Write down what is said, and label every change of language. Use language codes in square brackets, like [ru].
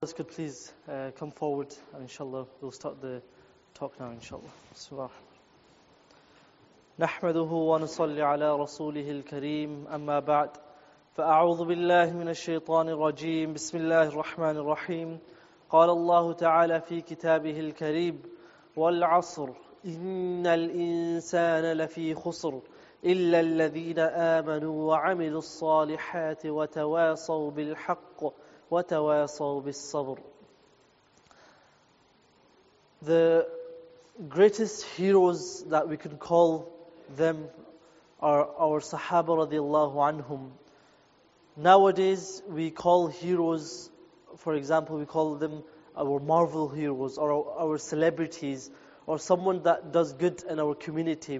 [en] Let's could please come forward, and inshallah, we'll start the talk now, inshallah. Subhanallah. [ar] نحمده ونصلي على رسوله الكريم أما بعد فأعوذ بالله من الشيطان الرجيم بسم الله الرحمن الرحيم قال الله تعالى في كتابه الكريم والعصر إن الإنسان لفي خسر إلا الذين آمنوا وعملوا الصالحات وتواصوا بالحق وتواصوا بالصبر. [en] The greatest heroes that we can call them are our Sahaba radiallahu anhum. Nowadays we call heroes, for example, we call them our Marvel heroes or our celebrities or someone that does good in our community.